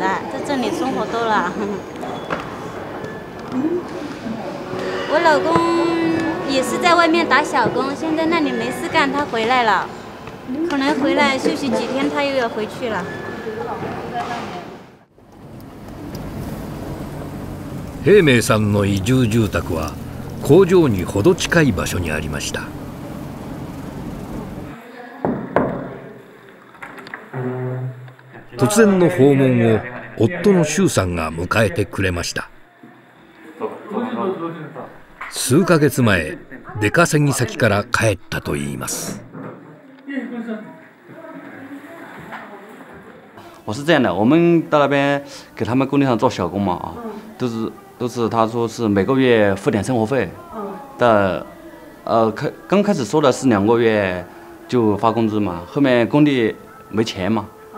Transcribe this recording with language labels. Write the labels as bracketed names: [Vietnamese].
[Chinese] 在这里生活多了。我老公也是在外面打小工，现在那里没事干，他回来了，可能回来休息几天，他又要回去了。 [Japanese] 平明さんの移住住宅は工場にほど近い場所にありました。突然の訪問を夫の周さんが迎えてくれました。数ヶ月前、出稼ぎ先から帰ったといいます。 [Chinese] 我是这样的，我们到那边给他们工地上做小工嘛，都是他说是每个月付点生活费，但刚开始说的是两个月就发工资嘛，后面工地没钱嘛。